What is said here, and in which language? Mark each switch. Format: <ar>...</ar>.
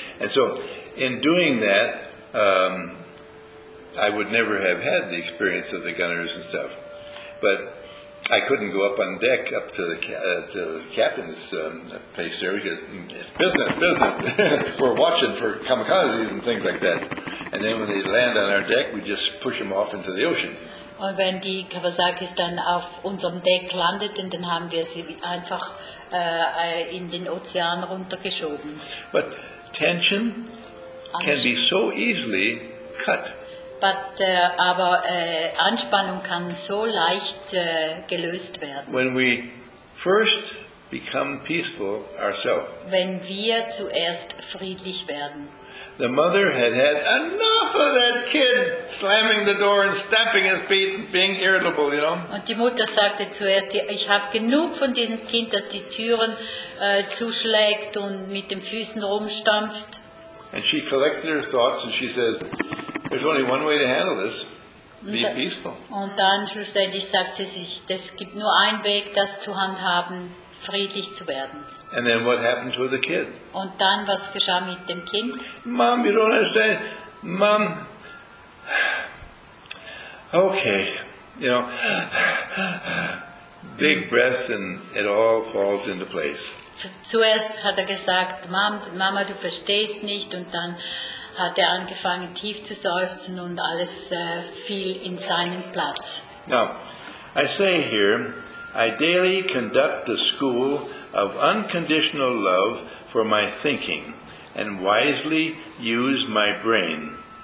<en>And so, in doing that, I would never have had the experience of the gunners and stuff. But I couldn't go up on deck up to the captain's place there because it's business. We're watching for kamikazes and things like that. And then when they land on our deck, we just push them off into the ocean.</en> <de>Und wenn die Kawasakis dann auf unserem Deck landeten, dann haben wir sie einfach in den Ozean runtergeschoben.</de> <en>But tension can be so easily cut.</en> <de>Aber Anspannung kann so leicht gelöst werden.</de> <en>When we first become peaceful ourselves.</en> <de>Wenn wir zuerst friedlich werden.</de> <en>The mother had enough of that kid slamming the door and stamping his feet and being irritable, you know.</en> <de>Und die Mutter sagte zuerst, ich habe genug von diesem Kind, das die Türen zuschlägt und mit den Füßen rumstampft.</de> <en>And she collected her thoughts and she says, there's only one way to handle this. Be peaceful.</en> <de>Und dann schlussendlich sagte sie, es gibt nur einen Weg, das zu handhaben, friedlich zu werden.</de> <en>And then what happened to the kid?</en> <de>Und dann was geschah mit dem Kind?</de> <en>Mom, you don't understand. Mom, okay, you know, big breaths and it all falls into place.</en> <de>Zuerst hat gesagt, Mama, du verstehst nicht, und dann hat angefangen, tief zu seufzen, und alles fiel in seinen Platz.</de> <en>Now, I say here, I daily conduct the school of unconditional love for my thinking and wisely use my brain.</en>